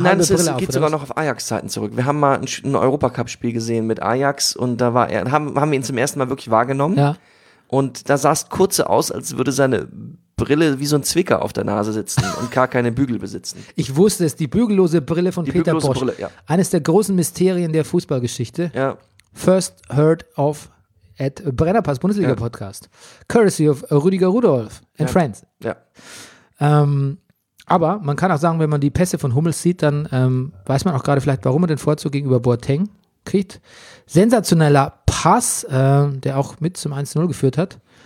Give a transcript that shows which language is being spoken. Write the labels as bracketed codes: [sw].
[de] Nein, das geht sogar noch auf Ajax-Zeiten zurück. Wir haben mal ein Europacup-Spiel gesehen mit Ajax und da war er, haben wir ihn zum ersten Mal wirklich wahrgenommen. Ja. Und da sah es kurz so aus, als würde seine Brille wie so ein Zwicker auf der Nase sitzen und gar keine Bügel besitzen. Ich wusste es, die bügellose Brille von Peter Bosch. Brille, ja. Eines der großen Mysterien der Fußballgeschichte. Ja. [en] First heard of at Brennerpass Bundesliga-Podcast. [de] Ja. [en] Courtesy of Rüdiger Rudolf and Friends. [de] Ja. Aber man kann auch sagen, wenn man die Pässe von Hummels sieht, dann weiß man auch gerade vielleicht, warum er den Vorzug gegenüber Boateng kriegt. Sensationeller Pass, der auch mit zum 1-0 geführt hat.